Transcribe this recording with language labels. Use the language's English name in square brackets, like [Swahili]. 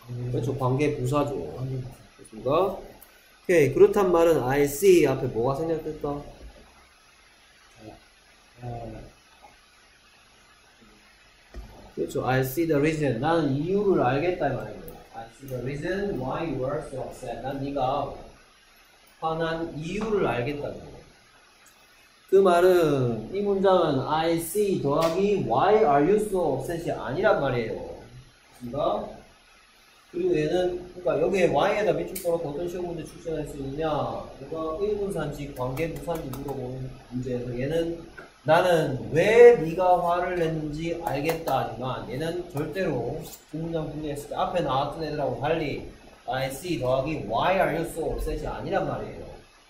[Korean] 그렇죠. 관계 부사죠. 그렇습니까? 오케이. 그렇단 말은 I see 앞에 뭐가 생략됐다? [English] 그렇죠. I see the reason. [Korean] 나는 이유를 알겠다 이 말이에요. [English] I see the reason why you were so upset. [Korean] 난 네가 화난 이유를 알겠다. 그 말은 이 문장은 I see 더하기 Why are you so upset 이 아니란 말이에요. 그니까 그리고 얘는 그러니까 여기에 Y에다 밑줄 걸어서 어떤 시험 문제 출제할 수 있느냐 누가 의문사인지 관계부사인지 물어보는 문제에서 얘는 나는 왜 네가 화를 냈는지 알겠다 하지만 얘는 절대로 그 문장 공개했을 때 앞에 나왔던 애들하고 달리 I see 더하기 Why are you so upset 이 아니란 말이에요.